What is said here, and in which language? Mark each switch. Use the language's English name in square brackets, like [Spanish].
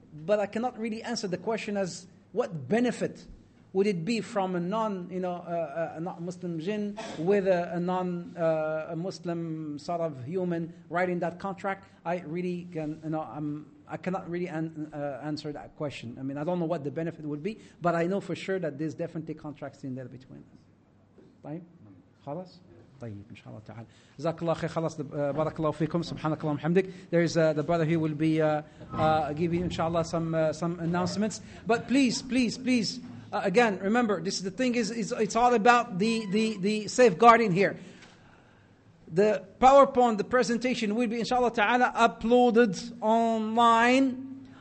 [English] But I cannot really answer the question as what benefit would it be from a non, you know, a non-Muslim jinn with a non a Muslim sort of human writing that contract? I really can, you know, I cannot really answer that question. I mean, I don't know what the benefit would be, but I know for sure that there's definitely contracts in there between them. [Arabic] طيب خلاص طيب إن شاء الله تعالى زاك الله خير خلاص بارك الله فيكم سبحانك اللهم وبحمدك. [English] There is the brother, he will be giving inshallah some announcements, but please. Again, remember, this is the thing, it's all about the safeguarding here. The PowerPoint, the presentation will be, inshallah ta'ala, uploaded online.